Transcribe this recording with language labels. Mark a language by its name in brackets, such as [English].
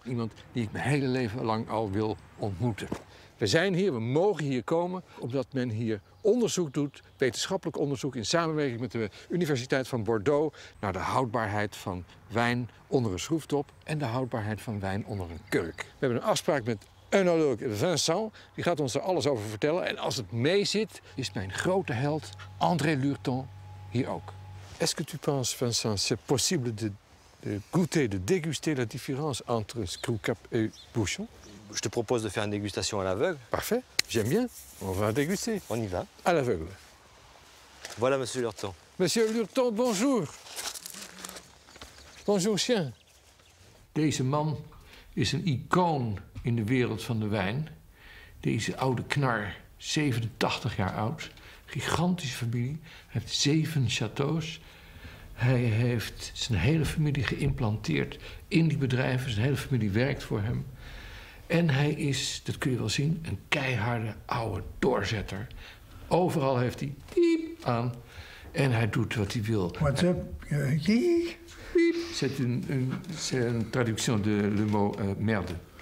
[Dutch] Iemand die ik mijn hele leven lang al wil ontmoeten. We zijn hier, we mogen hier komen, omdat men hier onderzoek doet, wetenschappelijk onderzoek, in samenwerking met de Universiteit van Bordeaux, naar de houdbaarheid van wijn onder een schroeftop en de houdbaarheid van wijn onder een kurk. We hebben een afspraak met Enoloog Vincent, die gaat ons er alles over vertellen. En als het meezit, is mijn grote held André Lurton hier ook. [French] Est-ce que tu penses, Vincent, c'est possible de goûter, de déguster la différence entre screwcap et bouchon? Je te propose de faire une dégustation à l'aveugle. Parfait, j'aime bien. On va déguster. On y va. À l'aveugle. Voilà, monsieur Lurton. Monsieur Lurton, bonjour. Bonjour, chien. [Dutch] Deze man is een icoon in de wereld van de wijn. Deze oude knar, 87 jaar oud, gigantische familie, heeft zeven châteaux. Hij heeft zijn hele familie geïmplanteerd in die bedrijven. Zijn hele familie werkt voor hem. En hij is, dat kun je wel zien, een keiharde oude doorzetter. Overal heeft hij piep aan en hij doet wat hij wil. [English] What's up? [Dutch] Piep. [French] C'est une traduction de le mot merde.